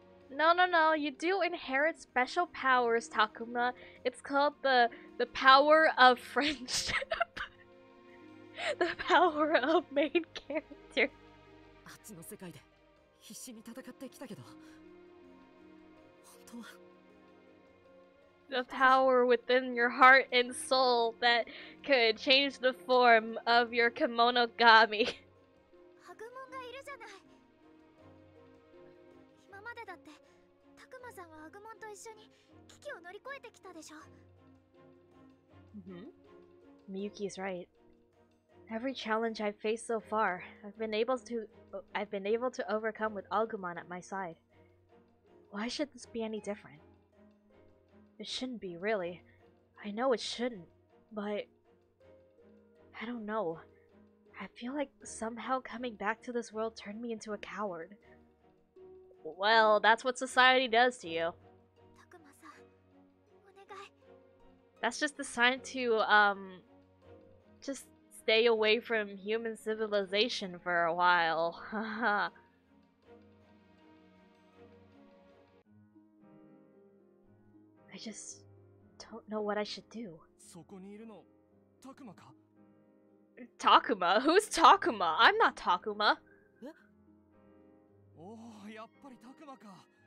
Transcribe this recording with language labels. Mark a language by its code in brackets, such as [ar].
[en] No, no, no, you do inherit special powers, Takuma. It's called the power of friendship. The power of main character. [ja] あっちの世界で必死に戦ってきたけど、本当は。 [en] The power within your heart and soul that could change the form of your kimonogami. [ja] ハグモンがいるじゃない。今までだって、タクマさんはハグモンと一緒に危機を乗り越えてきたでしょ。 [en] Miyuki is right. Every challenge I've faced so far, I've been able to overcome with Agumon at my side. Why should this be any different? It shouldn't be, really. I know it shouldn't, but... I don't know. I feel like somehow coming back to this world turned me into a coward. Well, that's what society does to you. Takuma-san, please. That's just a sign to, just stay away from human civilization for a while. Haha. I just don't know what I should do. [ja] そこにいるの、タクマか? [en] Takuma? Who's Takuma? I'm not Takuma. え? [ja] Oh, やっぱりタクマか。